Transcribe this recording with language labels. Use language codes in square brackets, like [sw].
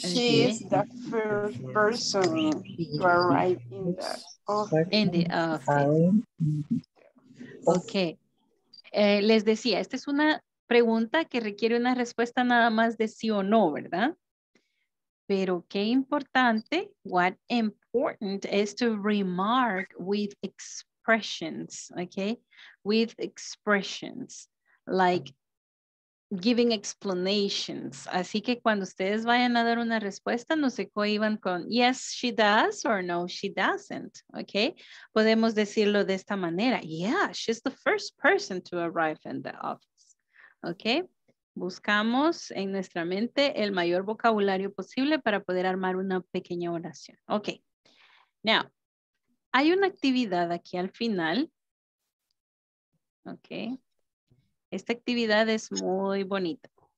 [en] She is the first person to arrive in the office. In the office. Okay. [es] Les decía, esta es una pregunta que requiere una respuesta nada más de sí o no, ¿verdad? Pero qué importante, [en] what important is to remark with expressions, okay? With expressions, like giving explanations. [es] Así que cuando ustedes vayan a dar una respuesta, no se cohiban con [en] yes, she does or no, she doesn't. [es] Okay. Podemos decirlo de esta manera. [en] Yeah, she's the first person to arrive in the office. Okay. [es] Buscamos en nuestra mente el mayor vocabulario posible para poder armar una pequeña oración. Okay. Now, hay una actividad aquí al final. Okay. Esta actividad es muy bonita.